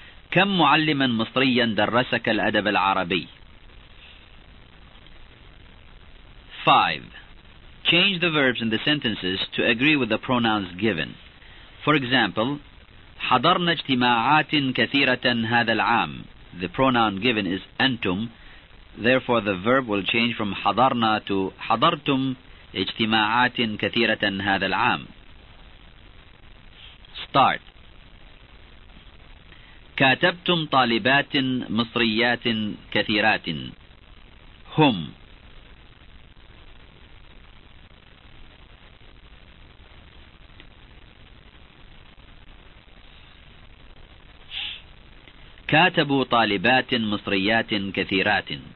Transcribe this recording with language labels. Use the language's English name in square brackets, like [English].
[Arabic] كم معلما مصريا درسك الأدب العربي؟ 5. [English] Change the verbs in the sentences to agree with the pronouns given. For example, [Arabic] حضرنا اجتماعات كثيرة هذا العام. [English] The pronoun given is أنتم. Therefore, the verb will change from حضرنا to [Arabic] حضرتم اجتماعات كثيرة هذا العام. [English] Start. [Arabic] كاتبتم طالبات مصريات كثيرات. هم كاتبوا طالبات مصريات كثيرات.